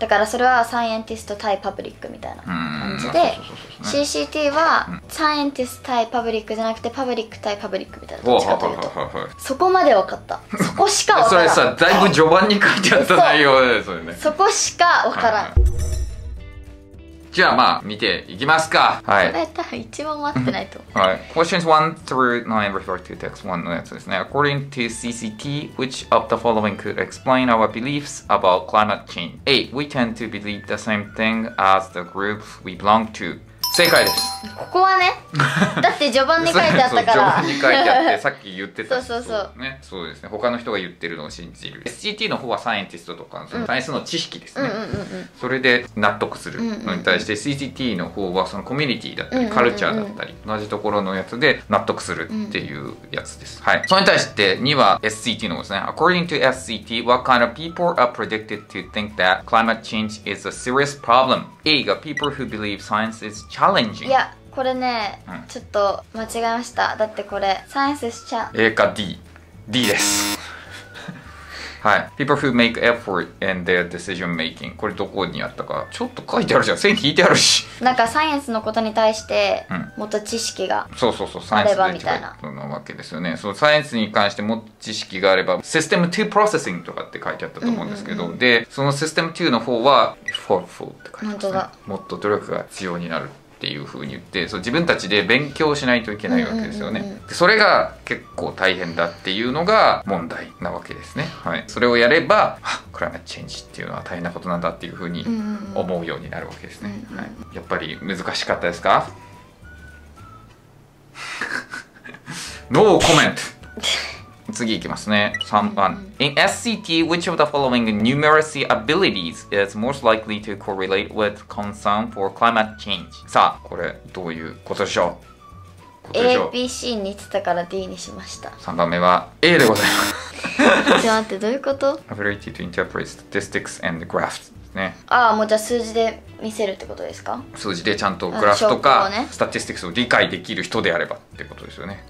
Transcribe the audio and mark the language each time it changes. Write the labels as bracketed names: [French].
[Japanese] だからそれはサイエンティスト対パブリックみたいな感じで、CCT はサイエンティスト対パブリックじゃなくてパブリック対パブリックみたいな。どっちかというと、そこまで分かった。そこしか分からん。それさ、だいぶ序盤に書いてあった内容で、それね、そこしか分からん。じゃあまあ見ていきますか。はい。それ多分一番待ってないと思う。 [English] はい。Questions 1 through 9 refer to text 1 [Japanese] のやつですね。 [English] According to CCT, which of the following could explain our beliefs about climate change? A. We tend to believe the same thing as the group we belong to. [Japanese] 正解です。ここはね、だって序盤に書いてあったから。そう、序盤に書いてあってさっき言ってた。そう、ね。そうですね。他の人が言ってるのを信じる。SCT の方はサイエンティストとか、そのサイエンスの知識ですね、うんうんうんうん。それで納得するのに対して、CCT の方はそのコミュニティだったり、カルチャーだったり、同じところのやつで納得するっていうやつです。はい。それに対して2は SCT の方ですね。 [English] According to SCT, what kind of people are predicted to think that climate change is a serious problem? A が people who believe science is challenging. Yeah. [Japanese] これね、うん、ちょっと間違えました。だってこれ、サイエンスしちゃう。A か D。D です。はい。 [English] People who make effort in their decision making。 [Japanese] これどこにあったか。ちょっと書いてあるじゃん。線引いてあるし。なんかサイエンスのことに対して、もっと知識が、うん。そうそうそう、サイエンスみたいな。そのわけですよね。そう、サイエンスに関してもっと知識があれば、System 2 Processing とかって書いてあったと思うんですけど、うんうんうん、で、その System 2 の方は、Effortful って書いてあるんですね。本当だ。もっと努力が必要になる。ていうふうに言って、そう自分たちで勉強しないといけないわけですよね、うんうんうん、でそれが結構大変だっていうのが問題なわけですね、はい、それをやればクライマーチェンジっていうのは大変なことなんだっていうふうに思うようになるわけですね、うんうんはい、やっぱり難しかったですか？ノーコメント次いきますね。 3番。 [English] In SCT, which of the following numeracy abilities is most likely to correlate with concern for climate change? [Japanese] さあ、これどういうことでしょう？ A、B、C に似てたから D にしました。 3番目は A でございます。じゃあ待って、どういうこと？ [English] Ability to interpret statistics and graphs ですね。 [Japanese] ああ、もうじゃあ数字で見せるってことですか？数字でちゃんとグラフとか、ね、スタティスティクスを理解できる人であればってことですよね。